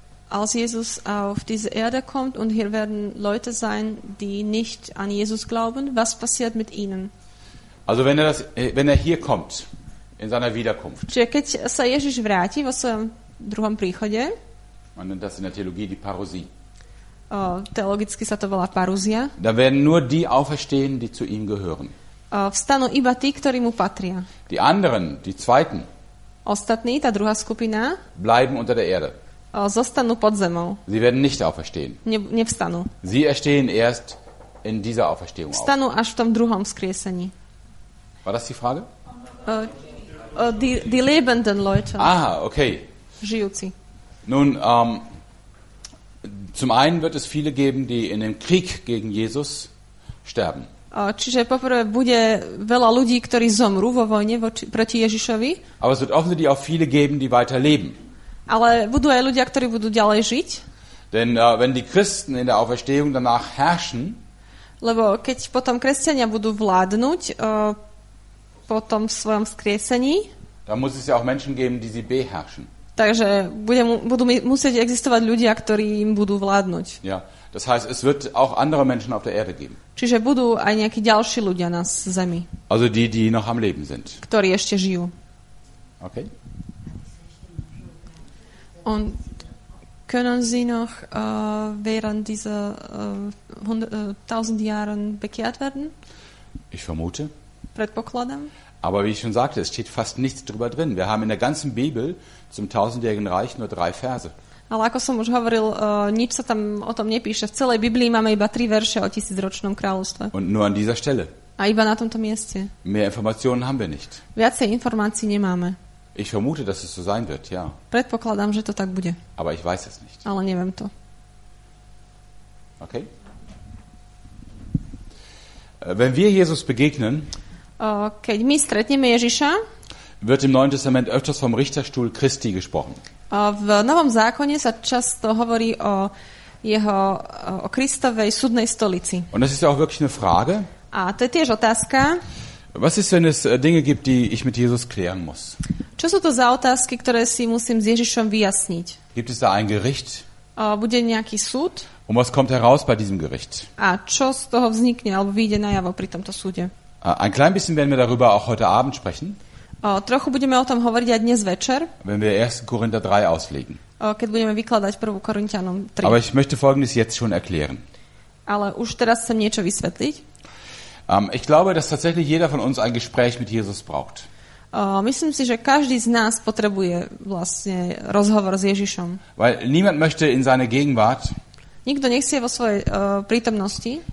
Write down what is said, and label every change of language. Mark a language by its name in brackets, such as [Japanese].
[German] als Jesus auf diese Erde kommt und hier werden Leute sein, die nicht an Jesus glauben, was passiert mit ihnen? Also wenn er das, wenn er hier kommt, in seiner Wiederkunft. [Slovak] Čiže keď sa Ježiš vráti vo svojom druhom príchode. [German] Man nennt das in der Theologie die Parousie. [Slovak] Teologicky sa to volá parúzia. [German] Da werden nur die auferstehen, die zu ihm gehören. [Slovak] Vstanú iba tí, ktorí mu patria. [German] Die anderen, die zweiten. [Slovak] Ostatní, tá druhá skupina. [German] Bleiben unter der Erde. [Slovak] Zostanú pod zemou. [German] Sie werden nicht auferstehen. [Slovak] Nevstanú. [German] Sie erstehen erst in dieser Auferstehung. [Slovak] Vstanú až v tom druhom vzkriesení. [German] War das die Frage? Die lebenden Leute. Aha, okay. [Slovak] Žijúci. [German] Nun, zum einen wird es viele geben, die in dem Krieg gegen Jesus sterben. [Slovak] Čiže poprvé bude veľa ľudí, ktorí zomrú vo vojne proti Ježišovi. [German] Aber es wird offensichtlich auch viele geben, die weiter leben. [Slovak] Ale budú aj ľudia, ktorí budú ďalej žiť. [German] Denn wenn die Christen in der Auferstehung danach herrschen, [Slovak] lebo keď potom kresťania budú vládnuť po tom svojom vzkriesení, [German] dann muss es ja auch Menschen geben, die sie beherrschen. [Slovak] Takže budú musieť existovať ľudia, ktorí im budú vládnuť. [German] Ja, das heißt, es wird auch andere Menschen auf der Erde geben. [Slovak] Čiže budú aj nejakí ďalší ľudia na zemi. [German] Also die, die noch am Leben sind. [Slovak] Ktorí ešte žijú. Okay. [German] Und können Sie noch während dieser 1000 Jahren bekehrt werden? Ich vermute. [Slovak] Predpokladám. [German] Aber wie ich schon sagte, es steht fast nichts drüber drin. Wir haben in der ganzen Bibel zum tausendjährigen Reich nur 3 Verse. [Slovak] Ale ako som už hovoril, nič sa tam o tom nepíše. V celej Biblii máme iba 3 verše o tisícročnom kráľovstve. [German] Und nur an dieser Stelle. [Slovak] A iba na tomto mieste. [German] Mehr Informationen haben wir nicht. [Slovak] Viacej informácií nemáme. [German] Ich vermute, dass es so sein wird, ja. [Slovak] Predpokladám, že to tak bude. [German] Aber ich weiß es nicht. [Slovak] Ale neviem to. Okay. [German] Wenn wir Jesus begegnen, [Slovak] keď my stretneme Ježiša, [German] wird im Neuen Testament öfters vom Richterstuhl Christi gesprochen. [Slovak] V Novom zákone sa často hovorí o jeho, o Kristovej súdnej stolici. [German] Und das ist auch wirklich eine Frage. [Slovak] A to je tiež otázka. [German] Was ist, wenn es Dinge gibt, die ich mit Jesus klären muss? [Slovak] Čo sú to za otázky, ktoré si musím s Ježišom vyjasniť? [German] Gibt es da ein Gericht? [Slovak] Bude nejaký súd? [German] Und was kommt heraus bei diesem Gericht? [Slovak] A čo z toho vznikne, alebo vyjde najavo pri tomto súde? [German] Ein klein bisschen werden wir darüber auch heute Abend sprechen. [Slovak] Trochu budeme o tom hovoriť aj dnes večer. [German] Wenn wir 1. Korinther 3 auslegen. [Slovak] Keď budeme vykladať 1. Korintianom 3. [German] Aber ich möchte Folgendes jetzt schon erklären. [Slovak] Ale už teraz chcem niečo vysvetliť. [German] Ich glaube, dass tatsächlich jeder von uns ein Gespräch mit Jesus braucht. [Slovak] Myslím si, že každý z nás potrebuje vlastne rozhovor s Ježišom. [German] Weil niemand möchte in seine Gegenwart. [Slovak] Nikto nechce vo svojej prítomnosti.